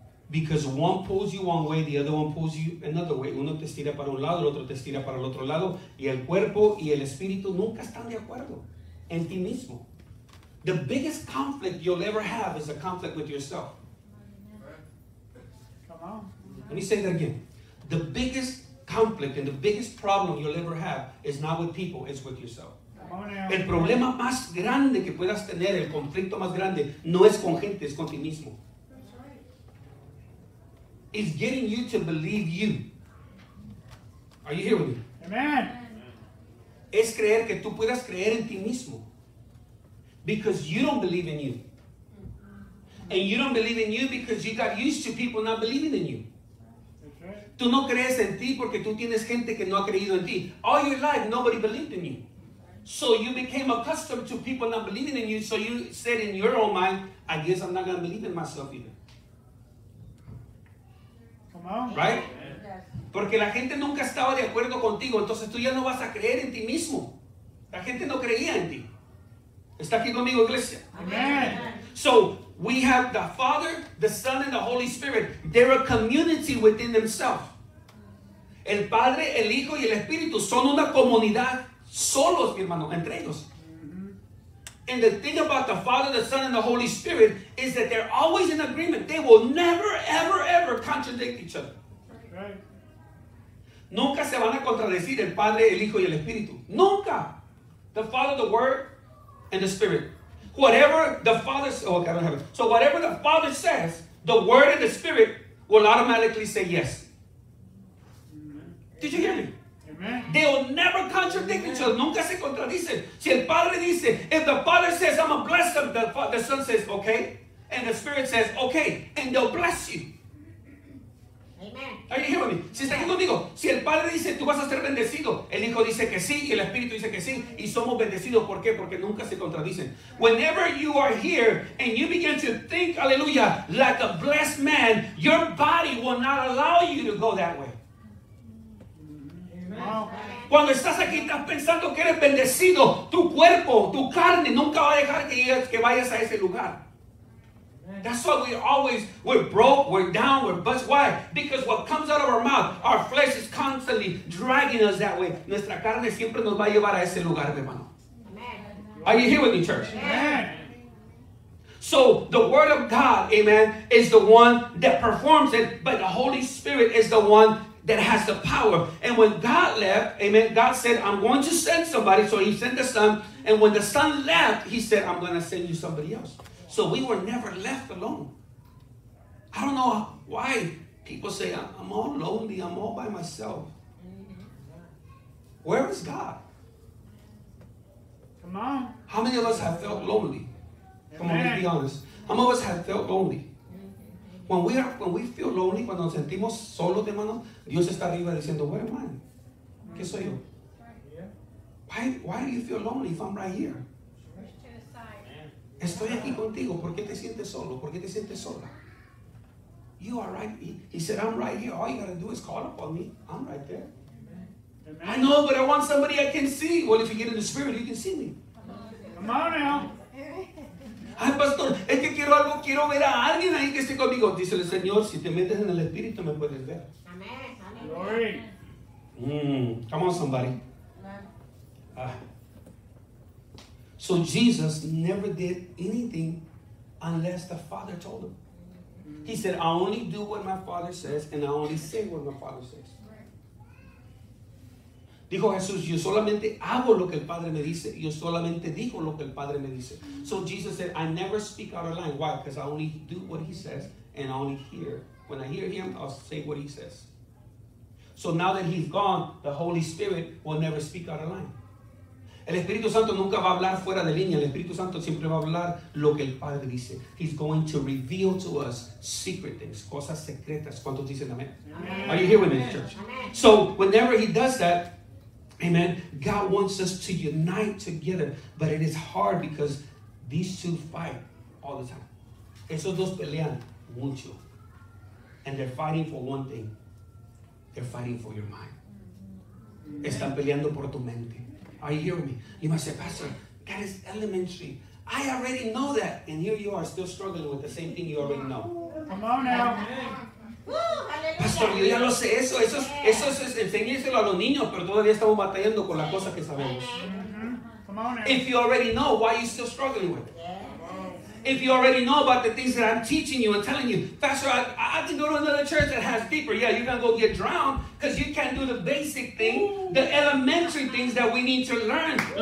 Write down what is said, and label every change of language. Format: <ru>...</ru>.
<en>Because one pulls you one way, the other one pulls you another way.</en> <es>Uno te estira para un lado, el otro te estira para el otro lado. Y el cuerpo y el espíritu nunca están de acuerdo en ti mismo.</es> <en>The biggest conflict you'll ever have is a conflict with yourself. Come on. Let me say that again. The biggest conflict and the biggest problem you'll ever have is not with people, it's with yourself.</en> <es>El problema más grande que puedas tener, el conflicto más grande, no es con gente, es con ti mismo.</es> <en>It's getting you to believe you. Are you here with me? Amen.</en> <es>Es creer que tú puedas creer en ti mismo.</es> <en>Because you don't believe in you. And you don't believe in you because you got used to people not believing in you.</en> <es>Tú no crees en ti porque tú tienes gente que no ha creído en ti.</es> <en>All your life, nobody believed in you. So you became accustomed to people not believing in you. So you said in your own mind, I guess I'm not going to believe in myself either. Come on. Right?</en> <es>Porque la gente nunca estaba de acuerdo contigo. Entonces tú ya no vas a creer en ti mismo. La gente no creía en ti. Está aquí conmigo, iglesia.</es> <en>Amen. So we have the Father, the Son, and the Holy Spirit. They're a community within themselves.</en> <es>El Padre, el Hijo, y el Espíritu son una comunidad solos, mi hermano, entre ellos.</es> <en>And the thing about the Father, the Son, and the Holy Spirit is that they're always in agreement. They will never, ever, ever contradict each other.</en> <es>Nunca se van a contradecir el Padre, el Hijo, y el Espíritu. Nunca.</es> <en>The Father, the Word, and the Spirit. Whatever the Father says, oh, okay, I don't have it. So whatever the Father says, the Word and the Spirit will automatically say yes. Did you hear me? Amen. They will never contradict each other.</en> <es>Nunca se contradicen. Si el Padre dice,</es> <en>if the Father says, I'm going to bless them, the Son says, okay. And the Spirit says, okay. And they'll bless you. Amen. Are you hearing me?</en> <es>Si está aquí conmigo, si el Padre dice, tú vas a ser bendecido, el Hijo dice que sí, y el Espíritu dice que sí, y somos bendecidos. ¿Por qué? Porque nunca se contradicen.</es> <en>Whenever you are here and you begin to think, hallelujah, like a blessed man, your body will not allow you to go that way.</en> <es>Cuando estás aquí estás pensando que eres bendecido, tu cuerpo, tu carne nunca va a dejar que vayas a ese lugar.</es> <en>That's why we're broke, we're down, we're busted. Why? Because what comes out of our mouth, our flesh is constantly dragging us that way.</en> <es>Nuestra carne siempre nos va a llevar a ese lugar, hermano.</es> <en>Are you here with me, church? Amen. So the Word of God, amen, is the one that performs it, but the Holy Spirit is the one that has the power. And when God left, amen, God said, I'm going to send somebody. So he sent the Son. And when the Son left, he said, I'm going to send you somebody else. So we were never left alone. I don't know why people say, I'm all lonely. I'm all by myself. Where is God? Come on. How many of us have felt lonely? Come amen. On, let's be honest. How many of us have felt lonely? When we feel lonely,</en> <es>cuando nos sentimos solos, hermanos, Dios está arriba diciendo,</es> <en>where am I?</en> <es>¿Qué soy yo?</es> <en>Why do you feel lonely if I'm right here?</en> <es>Estoy aquí contigo. ¿Por qué te sientes solo? ¿Por qué te sientes sola?</es> <en>You are right. He said, I'm right here. All you got to do is call upon me. I'm right there. Amen. I know, but I want somebody I can see. Well, if you get in the Spirit, you can see me. Come on now.</en> <es>Ay, pastor, es que quiero algo, quiero ver a alguien ahí que esté conmigo. Dice el Señor, si te metes en el Espíritu, me puedes ver. Amén.</es> <en>Glory. Come on, somebody. So Jesus never did anything unless the Father told him. He said, I only do what my Father says, and I only say what my Father says.</en> <es>Dijo Jesús, yo solamente hago lo que el Padre me dice. Yo solamente digo lo que el Padre me dice.</es> <en>So Jesus said, I never speak out of line. Why? Because I only do what he says and I only hear. When I hear him, I'll say what he says. So now that he's gone, the Holy Spirit will never speak out of line.</en> <es>El Espíritu Santo nunca va a hablar fuera de línea. El Espíritu Santo siempre va a hablar lo que el Padre dice.</es> <en>He's going to reveal to us secret things,</en> <es>cosas secretas. ¿Cuántos dicen amén?</es> <en>Amen. Are you here with me, church? Amen. So whenever he does that, amen, God wants us to unite together, but it is hard because these two fight all the time.</en> <es>Esos dos pelean mucho.</es> <en>And they're fighting for one thing. They're fighting for your mind. Amen.</en> <es>Están peleando por tu mente.</es> <en>Are you hearing me? You might say, Pastor, that is elementary. I already know that. And here you are still struggling with the same thing you already know. Come on now.</en> <es>Pastor, yo ya lo sé, eso es enseñárselo a los niños, pero todavía estamos batallando con las cosas que sabemos.</es> <en>Come on now. If you already know, why are you still struggling with it? Yes. If you already know about the things that I'm teaching you and telling you, Pastor, I can go to another church that has deeper. Yeah, you're going to go get drowned because you can't do the basic thing, the elementary things that we need to learn.</en>